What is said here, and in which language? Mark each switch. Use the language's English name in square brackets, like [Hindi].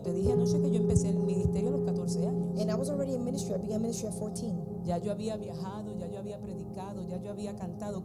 [Spanish] Te dije anoche que yo empecé el ministerio a los 14 años. [English] And I was already in ministry. I began ministry at 14. [Spanish] Ya yo había viajado, ya yo había predicado, ya yo había cantado.